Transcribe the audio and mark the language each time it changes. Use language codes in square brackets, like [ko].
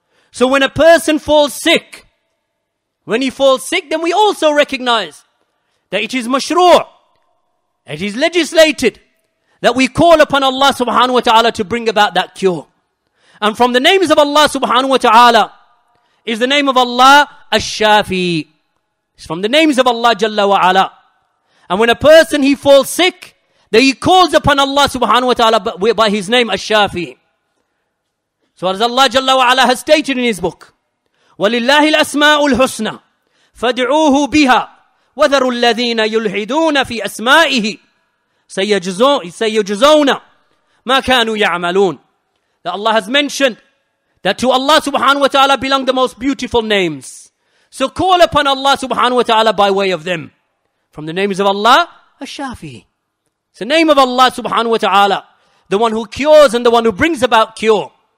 [en] So when a person falls sick, when he falls sick, then we also recognize that it is mashru', it is legislated, that we call upon Allah subhanahu wa ta'ala to bring about that cure. And from the names of Allah subhanahu wa ta'ala is the name of Allah Ash-Shafi. It's from the names of Allah Jalla wa Ala. And when a person, he falls sick, then he calls upon Allah subhanahu wa ta'ala by his name Ash-Shafi. So as Allah Jalla wa Ala has stated in his book, [ar] وَلِلَّهِ الْأَسْمَاءُ الْحُسْنَى فَدْعُوهُ بِهَا وَذَرُوا الَّذِينَ يُلْحِدُونَ فِي أَسْمَائِهِ سَيَجْزَوْنَ مَا كَانُوا يَعْمَلُونَ. [en] That Allah has mentioned that to Allah subhanahu wa ta'ala belong the most beautiful names. So call upon Allah subhanahu wa ta'ala by way of them. From the names of Allah, Ash-Shafi. It's the name of Allah subhanahu wa ta'ala, the one who cures and the one who brings about cure.